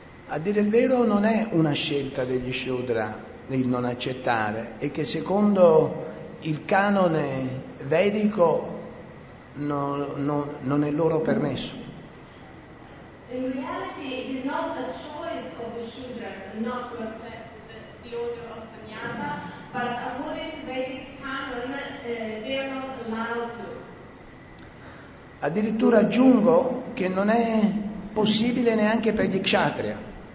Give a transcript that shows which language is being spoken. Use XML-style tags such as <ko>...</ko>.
<it>A dire il vero non è una scelta degli Shudra il non accettare, è che secondo il canone vedico non è loro permesso.</it> <en>In reality it is not a choice of the Shudra not to accept the order of Sannyasa, but according to Vedic canon they are not allowed to.</en> <it>Addirittura aggiungo che non è possibile neanche per gli Kshatriya.</it>